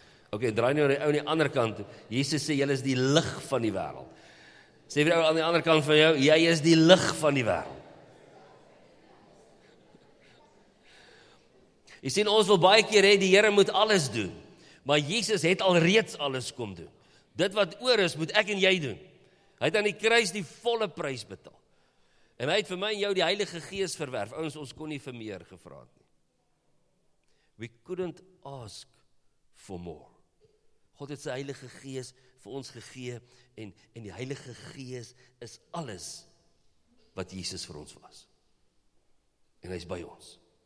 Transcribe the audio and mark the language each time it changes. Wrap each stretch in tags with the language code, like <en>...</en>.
<af>Ok, draai nou aan die ou aan die ander kant. Jesus sê, julle is die lig van die wêreld. Sê vir die ou aan die ander kant van jou, jy is die lig van die wêreld. Jy sien, ons wil baie keer hê, die Here moet alles doen. Maar Jesus het alreeds alles kom doen. Dit wat oor is, moet ek en jy doen. Hy het aan die kruis die volle prys betaal. En hy het vir my en jou die Heilige Gees verwerf. Ons, ons kon nie vir meer gevra het nie.</af> <en>We couldn't ask for more.</en> <af>God het sy Heilige Gees vir ons gegee en die Heilige Gees is alles wat Jesus vir ons was. En hy is by ons.</af>